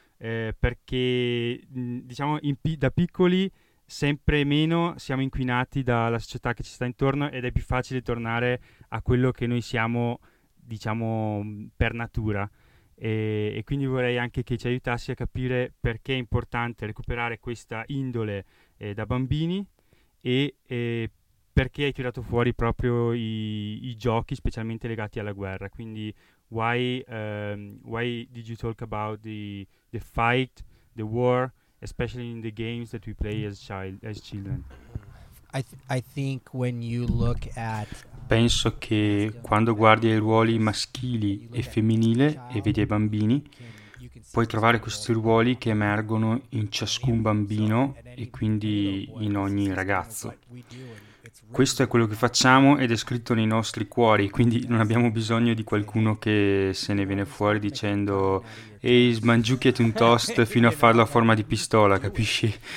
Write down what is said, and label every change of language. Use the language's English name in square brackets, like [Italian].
[Italian] Perché diciamo da piccoli sempre meno siamo inquinati dalla società che ci sta intorno ed è più facile tornare a quello che noi siamo, diciamo, per natura, e quindi vorrei anche che ci aiutassi a capire perché è importante recuperare questa indole da bambini e perché hai tirato fuori proprio i giochi specialmente legati alla guerra. [English] Quindi why did you talk about the fight, the war, especially in the games that we play as children? I think when you look at [Italian] penso che quando guardi ai ruoli maschili e femminile e vedi ai bambini, puoi trovare questi ruoli che emergono in ciascun bambino e quindi in ogni ragazzo. Questo è quello che facciamo ed è scritto nei nostri cuori, quindi non abbiamo bisogno di qualcuno che se ne viene fuori dicendo «Ehi, smangiucchiati un toast fino a farlo a forma di pistola», capisci?